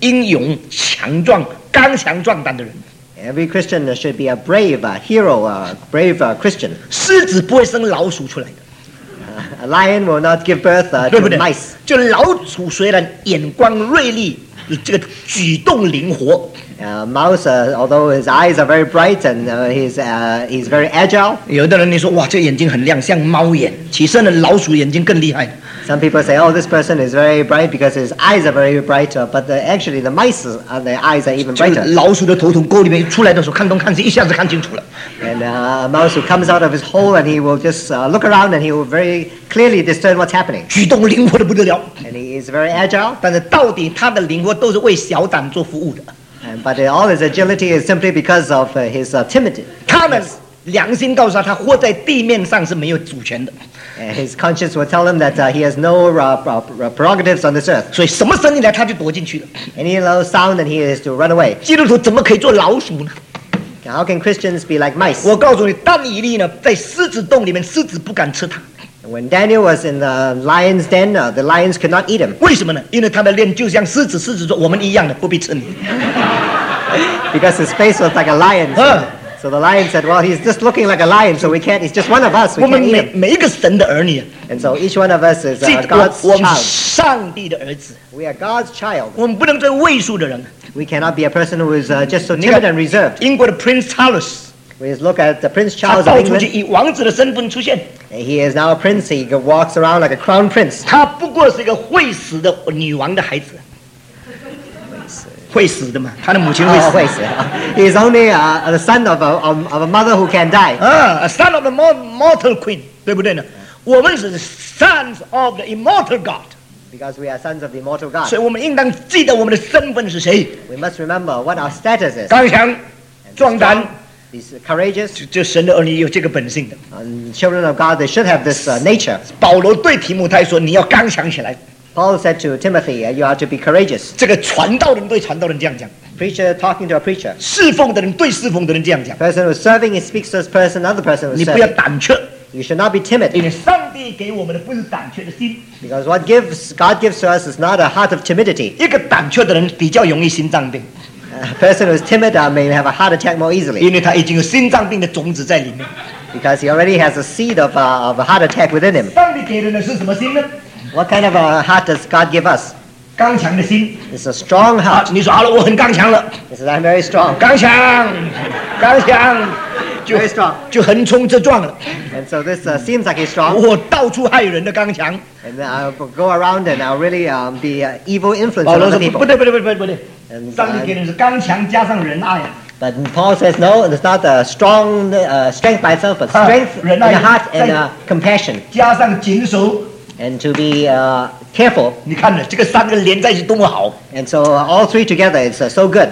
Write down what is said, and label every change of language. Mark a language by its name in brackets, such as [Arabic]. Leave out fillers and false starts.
[Chinese] 神的儿女应当个个都是英勇、强壮、刚强壮胆的人。 [English] Every Christian should be a brave hero, a brave Christian. [Chinese] 狮子不会生老鼠出来的。 [English] A lion will not give birth to mice. [Chinese] 就老鼠虽然眼光锐利, 这个举动灵活。 [English] Mouse, although his eyes are very bright and he's very agile. [Chinese] 有的人你说, 哇, 这眼睛很亮, 像猫眼, 其实呢, 老鼠眼睛更厉害。 [English] Some people say, oh, this person is very bright because his eyes are very bright, but actually the mice, their eyes are even brighter. [Chinese] 老鼠的头从沟里面出来的时候看东看西，一下子看清楚了。 [English] And a mouse who comes out of his hole and he will just look around and he will very clearly discern what's happening. [Chinese] 举动灵活得不得了。 [English] And he is very agile. [Chinese] 但是到底他的灵活都是为小胆做服务的。 [English] But all his agility is simply because of his timidity. [Chinese] 他们良心告诉他，他活在地面上是没有主权的。 [English] His conscience will tell him that he has no prerogatives on this earth. [Chinese] 所以什么声音来，他就躲进去了。 [English] Any low sound, and he is to run away. [Chinese] 基督徒怎么可以做老鼠呢？ [English] How can Christians be like mice? [Chinese] 我告诉你，但以利呢，在狮子洞里面，狮子不敢吃他。 [English] When Daniel was in the lion's den, the lions could not eat him. [Chinese] 为什么呢？因为他的脸就像狮子，狮子说我们一样的，不必吃你。 [English] Because his face was like a lion. So the lion said, well, he's just looking like a lion, so we can't, he's just one of us, we can't eat him. [Chinese] 每一个神的儿女。 [English] And so each one of us is God's child. [Chinese] 我们上帝的儿子。 [English] We are God's child. [Chinese] 我们不能做畏缩的人。 [English] We cannot be a person who is just so timid and reserved. [Chinese] 英国的 Prince Charles. [English] We just look at the Prince Charles of England. [Chinese] 他到处去以王子的身份出现。 [English] He is now a prince. He walks around like a crown prince. [Chinese] 他不过是一个会死的女王的孩子。会死的嘛，他的母亲会死。会死。 [English] He is only the son of a mother who can die. A son of the mortal queen, [Chinese] 对不对呢？我们是 [English] sons of the immortal God. Because we are sons of the immortal God. [Chinese] 所以我们应当记得我们的身份是谁。 [English] We must remember what our status is. [Chinese] 刚强，壮胆。 [English] He's courageous. [Chinese] 就神的儿女有这个本性的。 [English] Children of God, they should have this nature. [Chinese] 保罗对提摩太说，你要刚强起来。 [English] Paul said to Timothy, you are to be courageous. [Chinese] 这个传道人对传道人这样讲。 [English] Preacher talking to a preacher. [Chinese] 侍奉的人对侍奉的人这样讲。 [English] Person who is serving, he speaks to this person, another person who is serving. [Chinese] 你不要胆怯。 [English] You should not be timid. [Chinese] 因为上帝给我们的不是胆怯的心。 [English] Because what God gives to us is not a heart of timidity. [Chinese] 一个胆怯的人比较容易心脏病。 [English] A person who is timid may have a heart attack more easily. [Chinese] 因为他已经有心脏病的种子在里面。 [English] Because he already has a seed of a heart attack within him. [Chinese] 上帝给人的是什么心呢？ [English] What kind of a heart does God give us? [Chinese] 刚强的心。 [English] It's a strong heart. [Chinese] 你说好了，我很刚强了。 [English] He says, I'm very strong. [Chinese] 刚强，刚强， [English] 就 very strong. [Chinese] 就横冲直撞了。 [English] And so this seems like he's strong. [Chinese] 我到处害人的刚强。 [English] And then I'll go around and I'll really be an evil influence on other people. [Chinese] 不对。上帝给人是刚强加上仁爱。 [English] But Paul says, no, it's not a strong strength by itself, but strength in the heart and compassion. [Chinese] 加上谨守。 [English] And to be careful. [Chinese] 你看呢，这个三个连在一起多么好。 [English] And so all three together is so good.